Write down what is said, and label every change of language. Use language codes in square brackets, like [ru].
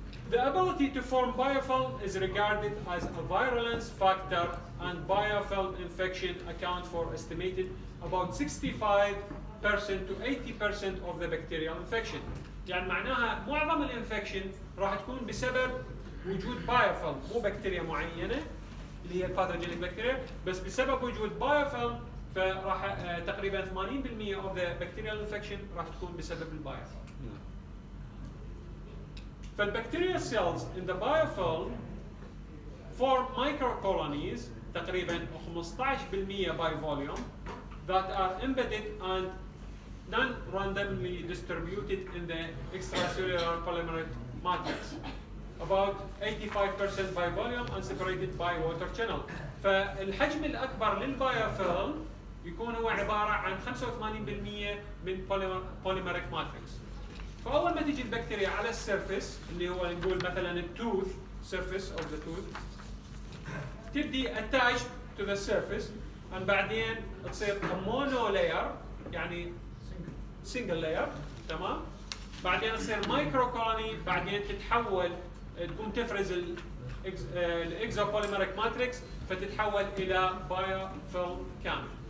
[en] The ability to form biofilm is regarded as a virulence factor and biofilm infection account for estimated about 65% to 80% of the bacterial infection. [ar] يعني معناها معظم الانفكشن راح تكون بسبب وجود بايوفيلم، مو بكتيريا معينه اللي هي الباثوجينيك بكتيريا، بس بسبب وجود بايوفيلم فراح تقريبا 80% [en] of the bacterial infection [ar] راح تكون بسبب البايوفيلم. فالبكتيريا سيلز [en] in the biofilm form micro colonies [ar] تقريبا [en] 15% by volume that are embedded and non-randomly distributed in the extracellular polymeric matrix. About 85% by volume and separated by water channel. [ar] فالحجم الأكبر للبيوفيلم يكون هو عبارة عن 85% من polymeric matrix. فأول ما تجي البكتيريا على السيرفيس اللي هو نقول مثلا التوث [en] surface of the tooth [ar] تبدي [en] attached to the surface and [ar] بعدين تصير مونو لاير يعني سنجل لاير تمام، بعدين تصير مايكرو كولوني، بعدين تتحول تقوم تفرز الاكزو بوليمريك ماتريكس فتتحول الى بايو فيلم كامل.